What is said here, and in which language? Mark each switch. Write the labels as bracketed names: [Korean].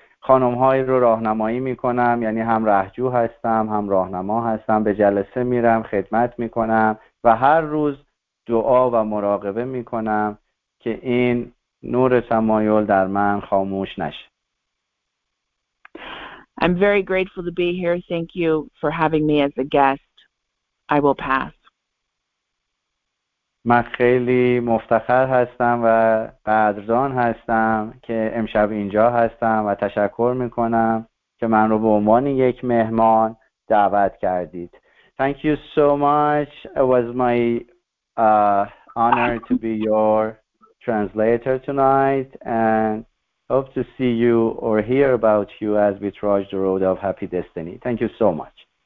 [Persian] خانم‌های رو راهنمایی می‌کنم، یعنی هم رهجو هستم، هم راهنما هستم. به جلسه میرم، خدمت می‌کنم و هر روز دعا و مراقبه می کنم که این نور تمایل در من خاموش نشه. [English] I'm very grateful to be here. Thank you for having me as a guest. I will pass. [Persian] من خیلی مفتخر هستم و قدردان هستم که امشب اینجا هستم و تشکر می کنم که من رو به عنوان یک مهمان دعوت کردید. [English] Thank you so much. It was my honor to be your translator tonight, and hope to see you or hear about you as we trudge the road of happy destiny. Thank you so much.